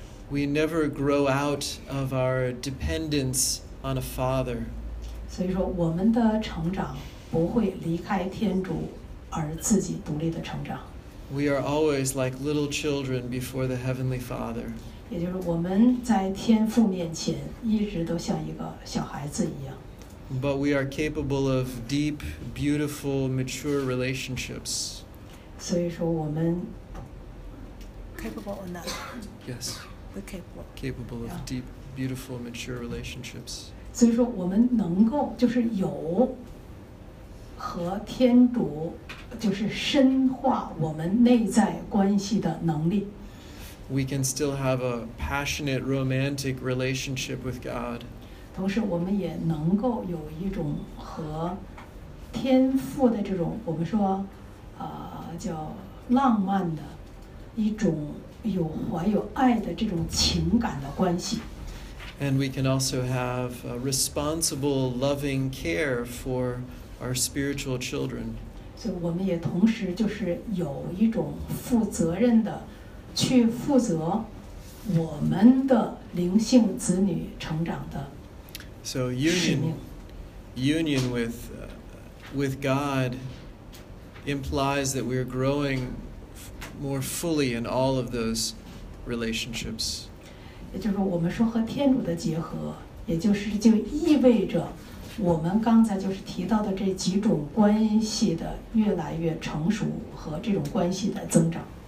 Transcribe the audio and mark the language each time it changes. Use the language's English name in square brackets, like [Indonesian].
[English] We never grow out of our dependence on a father. [Chinese] 所以说，我们的成长不会离开天主而自己独立的成长。 [English] We are always like little children before the Heavenly Father. [Chinese] 也就是我们在天父面前一直都像一个小孩子一样。 [English] But we are capable of deep, beautiful, mature relationships. [Chinese] 所以说我们 [English] capable or not? Yes. We're capable. Capable of deep, beautiful, mature relationships. [Chinese] 所以说我们能够就是有和天主就是深化我们内在关系的能力。 [English] We can still have a passionate, romantic relationship with God. [Chinese] 同时我们也能够有一种和天父的这种我们说叫浪漫的一种有怀有爱的这种情感的关系 [English] And we can also have a responsible loving care for our spiritual children [Chinese] 所以我们也同时就是有一种负责任的去负责我们的灵性子女成长的 [English] So union with God implies that we're growing more fully in all of those relationships. [Chinese] 也就是我们说和天主的结合，也就是就意味着我们刚才就是提到的这几种关系的越来越成熟和这种关系的增长。